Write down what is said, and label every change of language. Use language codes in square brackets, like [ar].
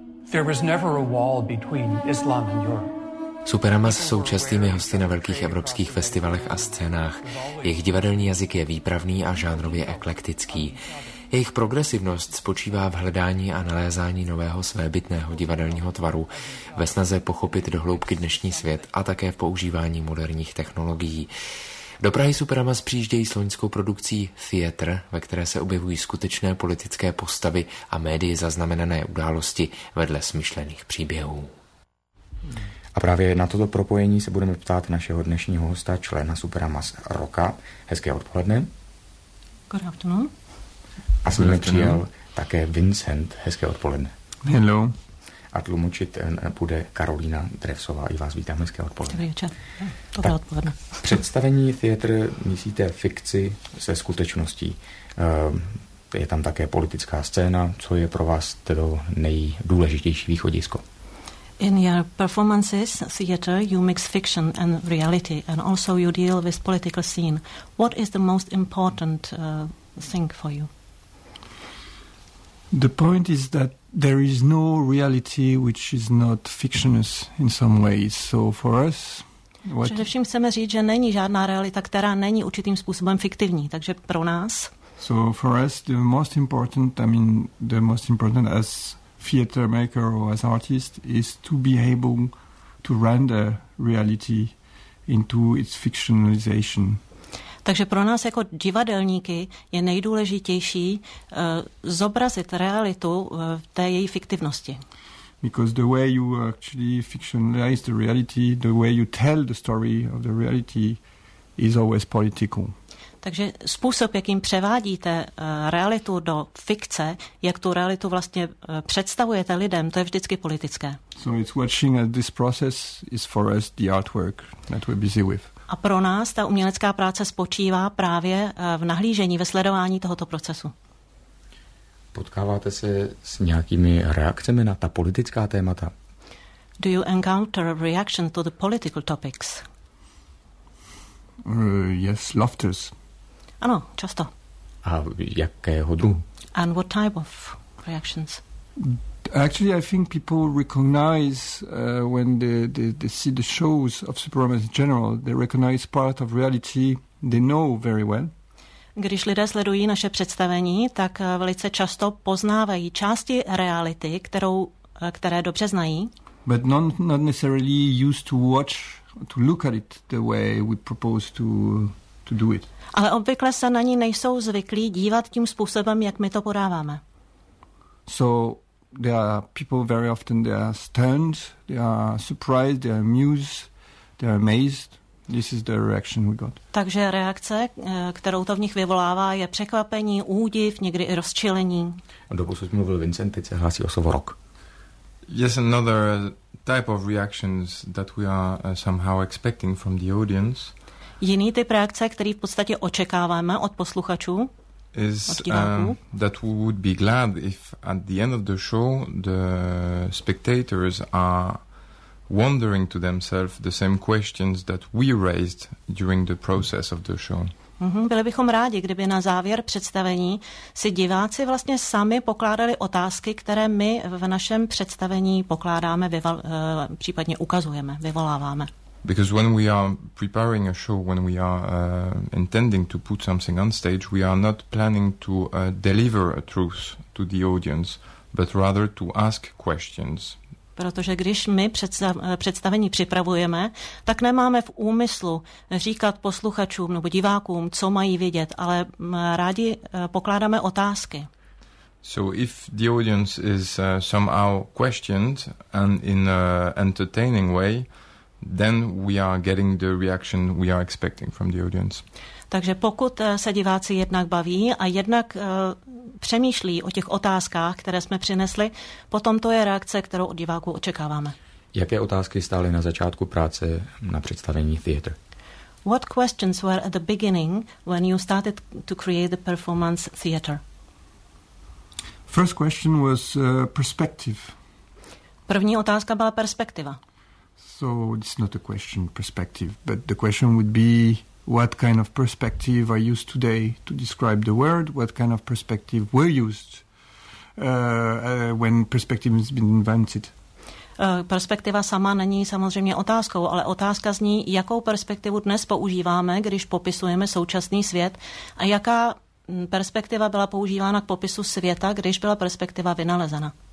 [en] There was never a wall between Islam and Europe. [cs] Superama jsou častými hosty na velkých evropských festivalech a scénách. Jejich divadelní jazyk je výpravný a žánrově eklektický. Jejich progresivnost spočívá v hledání a nalézání nového svébytného divadelního tvaru, ve snaze pochopit do hloubky dnešní svět a také v používání moderních technologií. Do Prahy Superama přijíždějí s loňskou produkcí Theatre, ve které se objevují skutečné politické postavy a médii zaznamenané události vedle smyšlených příběhů. A právě na toto propojení se budeme ptát našeho dnešního hosta, člena Superamas Roka. Hezké odpoledne. [en] Good afternoon. [cs] A jsme přijel také Vincent. Hezké odpoledne. [en] Hello. [cs] A tlumočit bude Karolína Drevsová. I vás vítám. Hezké odpoledne. Dobrý večer. Dobré odpoledne. Představení Theatre mísíte fikci se skutečností. Je tam také politická scéna. Co je pro vás to nejdůležitější východisko? [en] In your performances, theater, you mix fiction and reality, and also you deal with political scene. What is the most important thing for you? The point is that there is no reality which is not fictionous in some ways. So for us, what? [cs] Především chceme říct, že není žádná realita, která není určitým způsobem fiktivní. Takže pro nás. [en] So for us, the most important as theater maker or as artist is to be able to render reality into its fictionalization. [cs] Takže pro nás jako divadelníky je nejdůležitější zobrazit realitu v té její fiktivnosti. [en] Because the way you actually fictionalize the reality, the way you tell the story of the reality is always political. [cs] Takže způsob, jakým převádíte realitu do fikce, jak tu realitu vlastně představujete lidem, to je vždycky politické. [en] So it's watching that this process is for us the artwork that we're busy with. [cs] A pro nás ta umělecká práce spočívá právě v nahlížení, ve sledování tohoto procesu. Potkáváte se s nějakými reakcemi na ta politická témata? [en] Do you encounter a reaction to the political topics? Yes, laughters. [cs] Ano, často. A jakého druhu? [en] And what type of reactions? Actually, I think people recognize when they see the shows of Superama in general, they recognize part of reality they know very well. [cs] Když lidé sledují naše představení, tak velice často poznávají části reality, které dobře znají. [en] But not necessarily used to watch, to look at it the way we propose to do it. [cs] Ale obvykle se na ní nejsou zvyklí dívat tím způsobem, jak my to podáváme. [en] So there are people very often they are stunned, they are surprised, they are amused, they are amazed. This is the reaction we got. [cs] Takže reakce, kterou to v nich vyvolává, je překvapení, údiv, někdy i rozčilení. A doposud mluvil Vincent, teď se hlásí o slovo Rok. [en] Yes, another type of reactions that we are somehow expecting from the audience. [cs] Jiný typ reakce, který v podstatě očekáváme od posluchačů. [en] Is that we would be glad if at the end of the show the spectators are wondering to themselves the same questions that we raised during the process of the show. Mm-hmm. [cs] Byli bychom rádi, kdyby na závěr představení si diváci vlastně sami pokládali otázky, které my v našem představení pokládáme, případně ukazujeme, vyvoláváme. [en] Because when we are preparing a show, when we are intending to put something on stage, we are not planning to deliver a truth to the audience, but rather to ask questions. [cs] Protože když my představení připravujeme, tak nemáme v úmyslu říkat posluchačům nebo divákům, co mají vidět, ale rádi pokládáme otázky. [en] So if the audience is somehow questioned and in an entertaining way, then we are getting the reaction we are expecting from the audience. [cs] Takže pokud se diváci jednak baví a jednak přemýšlí o těch otázkách, které jsme přinesli, potom to je reakce, kterou od diváků očekáváme. Jaké otázky stály na začátku práce na představení Theatre? [en] What questions were at the beginning when you started to create the performance Theatre? First question was perspective. [cs] První otázka byla perspektiva. [en] So it's not a question perspective, but the question would be what kind of perspective I use today to describe the world, what kind of perspective were used when perspective has been invented. [cs] Perspektiva sama není samozřejmě otázkou, ale otázka zní, jakou perspektivu dnes používáme, když popisujeme současný svět, a jaká perspektiva byla používána k popisu světa, když byla perspektiva vynalezena.